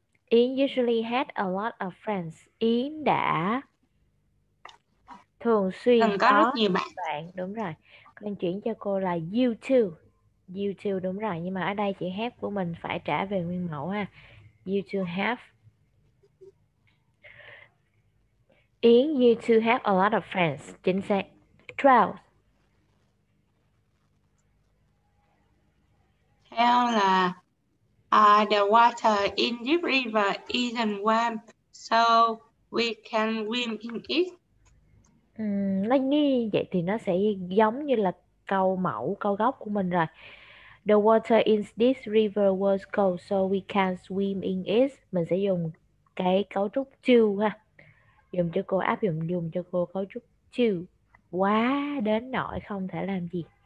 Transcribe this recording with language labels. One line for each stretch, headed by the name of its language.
English: Yến usually had a lot of friends.
Vietnamese: Yến đã thường từng xuyên có rất có nhiều bạn. những bạn. Đúng rồi. Mình chuyển cho cô là
English: you too. You too,
Vietnamese: đúng rồi. Nhưng mà ở đây chữ have của mình phải trả về nguyên mẫu ha.
English: You too have. Yến, you too have a lot of friends.
Vietnamese: Chính xác. 12. Theo là
English: the water in this river isn't warm, so we can swim in it.
Vietnamese: Nó như vậy thì nó sẽ giống như là câu mẫu, câu gốc của mình rồi.
English: The water in this river was cold, so we can swim in it.
Vietnamese: Mình sẽ dùng cái cấu trúc to ha. Dùng cho cô, áp dụng dùng cho cô cấu trúc to. Quá đến nỗi không thể làm gì.